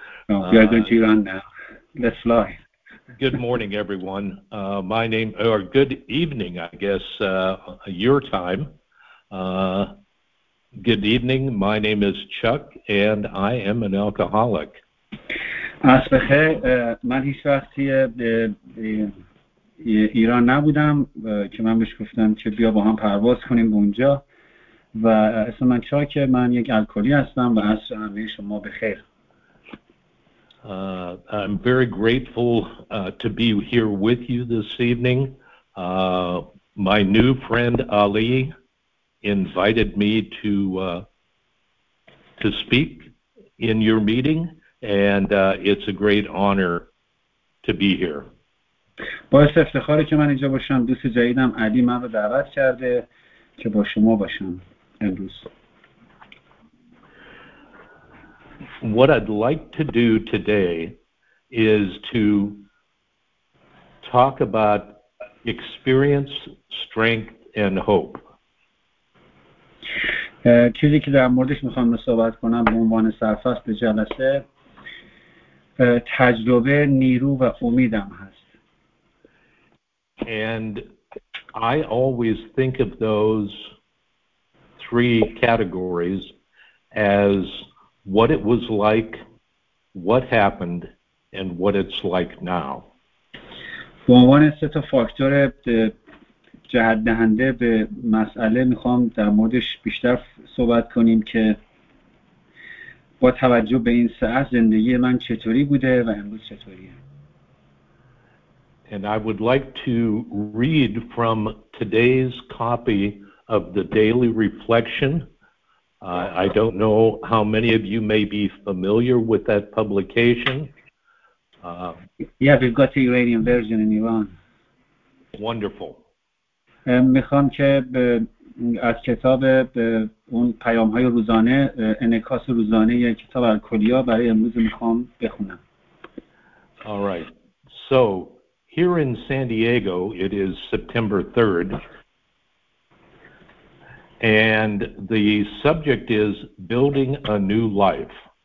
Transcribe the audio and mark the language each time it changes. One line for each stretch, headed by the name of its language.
English: Oh, we are going to Iran now. Let's fly. Good morning, everyone. My name... Or good evening, I guess, your time. Good evening. My name is Chuck, and I am an alcoholic. As for her,
Persian: من هیچ وقت به ایران نبودم که من بهش گفتم که بیا با هم پرواز کنیم اونجا. و اسم من چاکه، من یک الکلی هستم و عصر همه شما بخیر.
English: I'm very grateful to be here with you this evening. My new friend Ali invited me to speak in your meeting, and it's a great honor to be here.
Persian: باعث افتخاره که من اینجا باشم. دوست جدیدم علی من رو دعوت کرده که با شما باشم امروز.
English: What I'd like to do today is to talk about experience, strength, and hope.
Persian: چیزی که در موردش میخوام صحبت کنم به عنوان سرفصل به جلسه تجربه، نیرو و امیدم هست.
English: And I always think of those three categories as what it was like, what happened, and what it's like now.
Persian: به عنوان سه تا فاکتور جهت دهنده به مسئله میخوام در موردش بیشتر صحبت کنیم که با توجه به این سه از زندگی من چطوری بوده و امروز چطوریه.
English: And I would like to read from today's copy of the Daily Reflection. I don't know how many of you may be familiar with that publication. Yeah, we've got the Iranian version in Iran. Wonderful.
Persian: میخوام که از کتاب اون پیام های روزانه انعکاس روزانه یک کتاب الکلیا برای امروز میخوام بخونم.
English: All right. So here in San Diego it is September 3rd and the subject is building a new life.